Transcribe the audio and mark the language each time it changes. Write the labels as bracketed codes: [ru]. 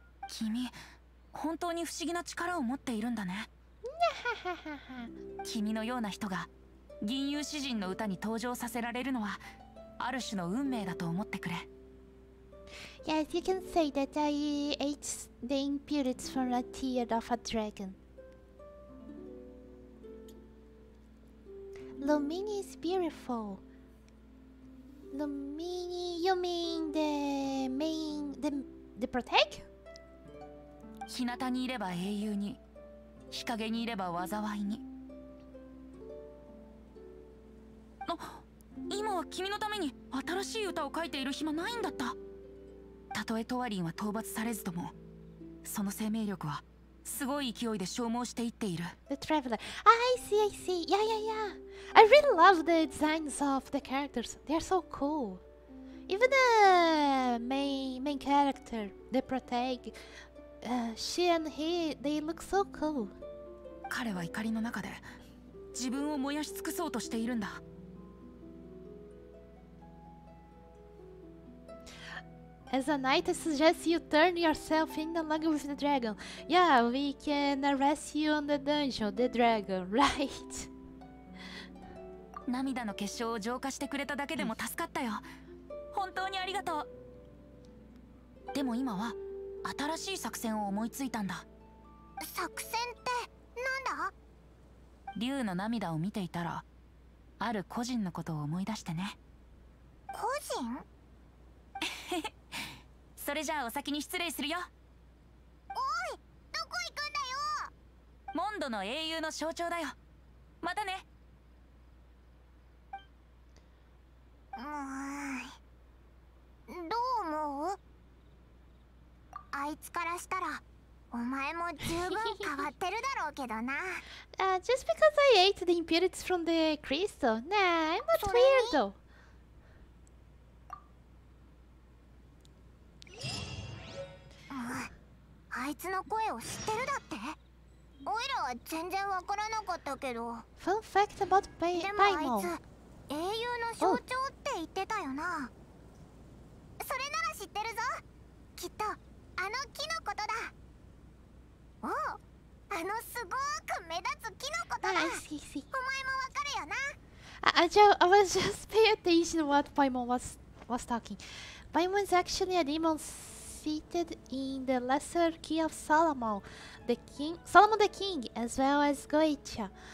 [ja] 君、本当に不思議な力を持っているんだね。君のような人が銀遊詩人の歌に登場させられるのは、ある種の運命だと思ってくれ。 [en] Yes, you can say that I ate the impurities from the tear of a dragon. The mini is beautiful. The mini, you mean the main, the protect? [ja] 日向にいれば英雄に、日陰にいれば災いに。あ、今は君のために新しい歌を書いている暇ないんだった。たとえトワリンは討伐されずとも、その生命力はすごい勢いで消耗していっている。 [en] The traveler. I see, I see. Yeah, yeah, yeah. I really love the designs of the characters. They're so cool. Even the main character, the protagonist, she and he, they look so cool. [ja] 彼は怒りの中で自分を燃やし尽くそうとしているんだ。 [en] As a knight, I suggest you turn yourself in along with the dragon. Yeah, we can arrest you in the dungeon, the dragon, right? [ja] 涙の結晶を浄化してくれただけでも助かったよ。本当にありがとう。でも今は新しい作戦を思いついたんだ。作戦ってなんだ？竜の涙を見ていたら、ある個人のことを思い出してね。個人？それじゃあお先に失礼するよ。おい、どこ行くんだよ。モンドの英雄の象徴だよ。またね。もう、どう思う？あいつからしたらお前も十分変わってるだろうけどな。 [en] just because I ate the impurities from the crystal, nah, I'm not weird though. [ja] あいつの声を知ってるだって。オイラは全然わからなかったけど。 [en] Fun fact about Paimon。 [ja] でもあいつ英雄の象徴って言ってたよな。それなら知ってるぞ。きっとあの木のことだ。お、あのすごく目立つ木のことだ。 [en] I see, see. [ja] お前もわかるよな。 [en] I was just paying attention what Paimon was talking. Paimon is actually a demon. Seated in the lesser key of Solomon the King, as well as Goicha.